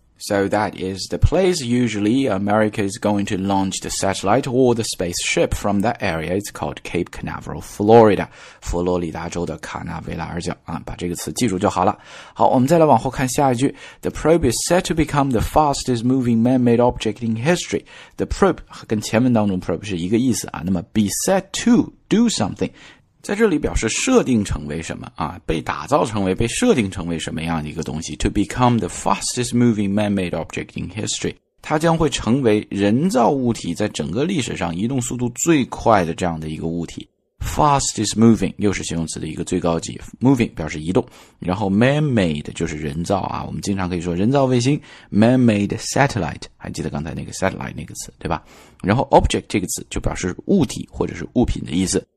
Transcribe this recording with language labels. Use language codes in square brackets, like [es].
[en] So that is the place usually America is going to launch the satellite or the spaceship from that area. It's called Cape Canaveral, Florida. [zh] 佛罗里达州的卡纳维拉尔角啊，把这个词记住就好了。好，我们再来往后看下一句。 [en] The probe is set to become the fastest moving man-made object in history. [zh] The probe 跟前文当中 probe 是一个意思啊。那么 [en] be set to do something. [zh] 在这里表示设定成为什么啊，被打造成为，被设定成为什么样的一个东西。 [en] To become the fastest moving man-made object in history. [zh] 它将会成为人造物体在整个历史上移动速度最快的这样的一个物体。 [en] Fastest moving, [zh] 又是形容词的一个最高级。Moving 表示移动。然后 man-made 就是人造啊，我们经常可以说人造卫星 , [en] man-made satellite, [zh] 还记得刚才那个 satellite 那个词，对吧？然后 object 这个词就表示物体或者是物品的意思。